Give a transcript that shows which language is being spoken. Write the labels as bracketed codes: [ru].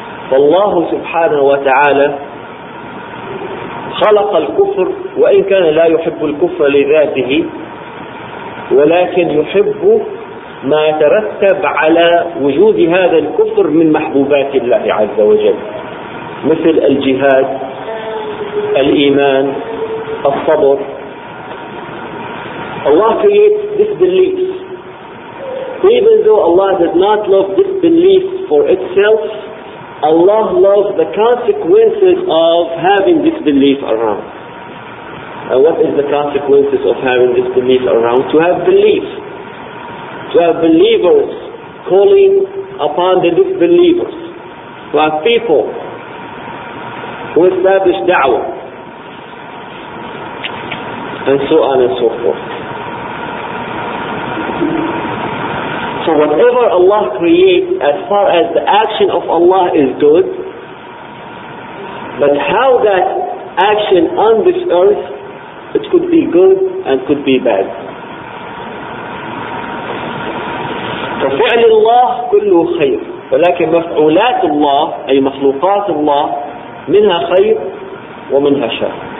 [ar] فالله سبحانه وتعالى خلق الكفر وإن كان لا يحب الكفر لذاته، ولكن يحب ما يترتب على وجود هذا الكفر من محبوبات الله عز وجل، مثل الجهاد، الإيمان، الصبر. [en] Allah creates disbelief. Even though Allah does not love disbelief for itself, Allah loves the consequences of having disbelief around. And what is the consequences of having disbelief around? To have belief. To have believers calling upon the disbelievers. To have people who establish da'wah. And so on and so forth. So whatever Allah creates, as far as the action of Allah is good, but how that action on this earth, it could be good and could be bad. [ar] ففعل الله كله خير ولكن مفعولات الله أي مخلوقات الله منها خير ومنها شر.